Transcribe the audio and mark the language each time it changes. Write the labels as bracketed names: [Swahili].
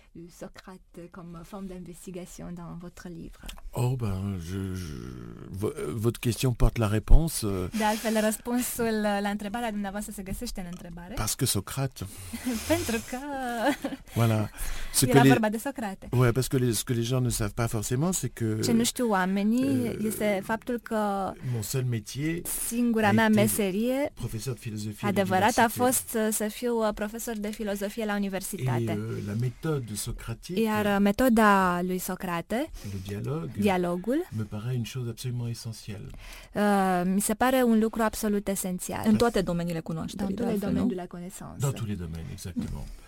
[French] Socrate comme forme d'investigation dans votre livre. Oh ben, votre question porte la réponse. [Romanian] De altfel, răspunsul la întrebarea dumneavoastră se găsește în întrebare. [French] Parce que Socrate. [Romanian] Pentru că. [French] Voilà. [Romanian] Era vorba de Socrate. [French] Ouais, parce que ce que les gens ne savent pas forcément, c'est que. [Romanian] Ce nu știu oamenii este faptul că. [French] Mon seul métier. [Romanian] Singura mea meserie. [French] Professeur de philosophie. [Romanian] Adevărat a fost să fiu profesor de filozofie la universitate. [French] Et la méthode. De Socrate, [Romanian] iar metoda lui Socrate, [French] dialogul, me paraît une chose absolument essentielle. [Romanian] Mi se pare un lucru absolut esențial. În toate domeniile cunoașterii. [French] Dans tous les domaines de la connaissance. Dans tous les domaines, exactement.